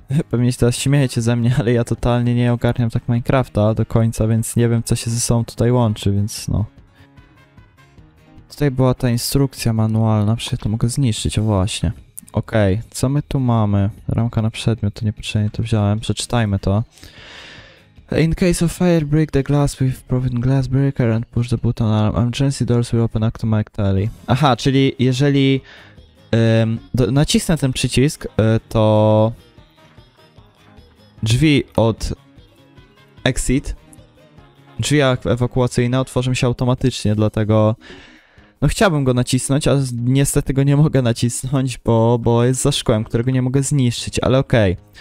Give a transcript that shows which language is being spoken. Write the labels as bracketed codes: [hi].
[pl] Pewnie się teraz śmiejecie ze mnie, ale ja totalnie nie ogarniam tak Minecrafta do końca, więc nie wiem, co się ze sobą tutaj łączy, więc no... Tutaj była ta instrukcja manualna, przecież to mogę zniszczyć, właśnie. Okej, co my tu mamy? Ramka na przedmiot, to niepotrzebnie to wziąłem, przeczytajmy to. [en] In case of fire, break the glass with proven glass breaker and push the button alarm. Emergency doors will open automatically. [pl] Aha, czyli jeżeli nacisnę ten przycisk, to drzwi od exit, drzwi ewakuacyjne otworzą się automatycznie, dlatego No chciałbym go nacisnąć, a niestety go nie mogę nacisnąć, bo jest za szkłem, którego nie mogę zniszczyć, ale okej.